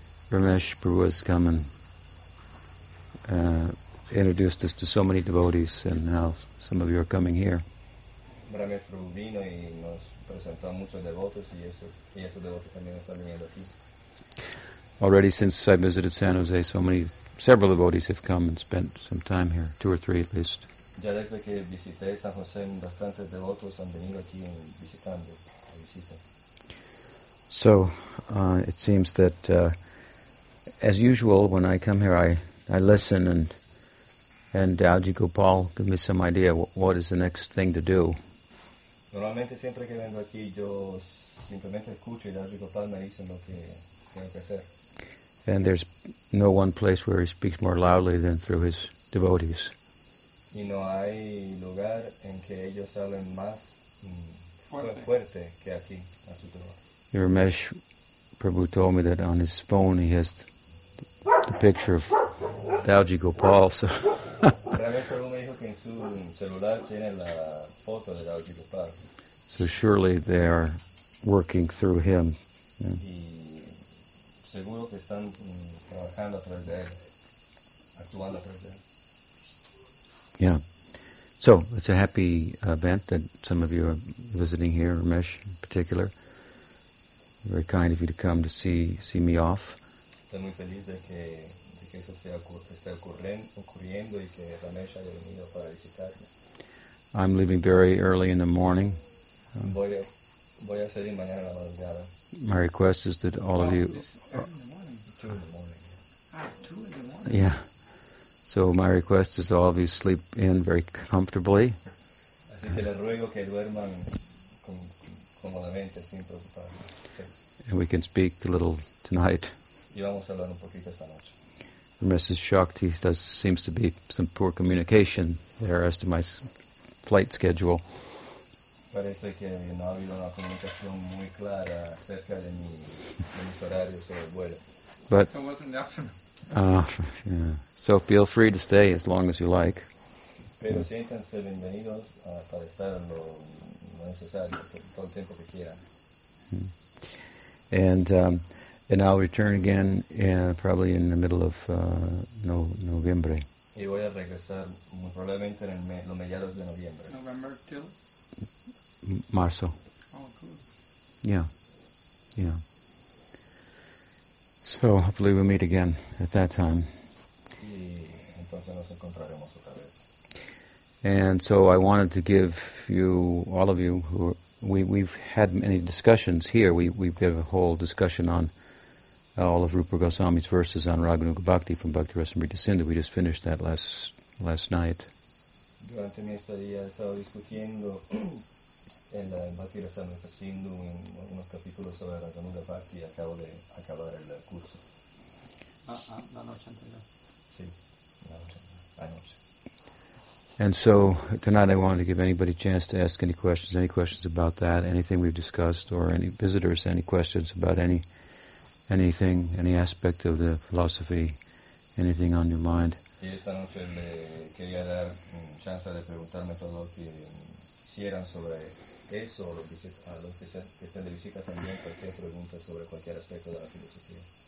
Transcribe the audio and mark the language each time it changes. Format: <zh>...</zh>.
<en>Ramesh Prabhu has come and introduced us to so many devotees, and now some of you are coming here.</en> <es>Ramesh Prabhu vino y nos presentó muchos devotos y esos devotos también están viniendo aquí.</es> <en>Already since I visited San Jose, so many several devotees have come and spent some time here, two or three at least.</en> <es>Ya desde que visité San José, bastantes devotos han venido aquí visitando la visita.</es> <en>So, it seems that, as usual, when I come here, I listen and Dowji Gopal give me some idea what is the next thing to do.</en> <es>Normalmente siempre que vengo aquí, yo simplemente escucho y Dowji Gopal me dice lo que tengo que hacer.</es> <en>And there's no one place where he speaks more loudly than through his devotees.</en> <es>Y no hay lugar en que ellos hablen más fuerte que aquí, a su devoto.</es> <en>Ramesh Prabhu told me that on his phone he has the picture of Dowji Gopal. So</en> <es>Ramesh Prabhu me dijo que en su celular tiene la foto de Dowji Gopal.</es> <en>So surely they are working through him. Yeah.</en> <es>Seguro que están trabajando a través de él, actuando a través de él.</es> <en>Yeah. So, it's a happy event that some of you are visiting here, Ramesh in particular. Very kind of you to come to see me off.</en> <es>Estoy muy feliz de que eso esté ocurriendo y que Ramesh haya venido para visitarme.</es> <en>I'm leaving very early in the morning.</en> <es>Voy a salir mañana a la madrugada.</es> <en>My request is that all of you... Two in the morning. Yeah. So my request is that all of you sleep in very comfortably.</en> <es>Así que les ruego que duerman cómodamente, sin preocuparse.</es> <en>And we can speak a little tonight.</en> <es>Y vamos a hablar un poquito esta noche.</es> <en>And Mrs. Shakti seems to be some poor communication there as to my flight schedule.</en> <es>Parece que no ha habido una comunicación muy clara acerca de mis horarios o el vuelo.</es> <en>But it wasn't the afternoon. So feel free to stay as long as you like.</en> <es>Pero siéntanse bienvenidos para estar lo necesario todo el tiempo que quieran.</es> <en>And I'll return again probably in the middle of November.</en> <es>Y voy a regresar muy probablemente en los mediados de noviembre.</es> <en>November till.</en> <es>Marzo.</es> <en>Oh, cool. Yeah. So hopefully we'll meet again at that time.</en> <es>Y entonces nos encontraremos otra vez.</es> <en>And so I wanted to give you, all of you, who are, we've had many discussions here. We've got a whole discussion on all of Rupa Goswami's verses on Raganuga Bhakti from Bhakti Rasamrita Sindhu. We just finished that last night.</en> <es>Durante mi estadía he estado discutiendo el Bhakti Rasamrita Sindhu en unos capítulos sobre Raganuga Bhakti y acabo de acabar el curso. La noche anterior. Sí, la noche anterior.</es> <en>And so, tonight I wanted to give anybody a chance to ask any questions about that, anything we've discussed, or any visitors, any questions about anything, any aspect of the philosophy, anything on your mind.</en> <es>Y esta noche le quería dar chance de preguntarme todo lo que hicieran sobre eso, o a los que están de visita también, cualquier pregunta sobre cualquier aspecto de la filosofía.</es>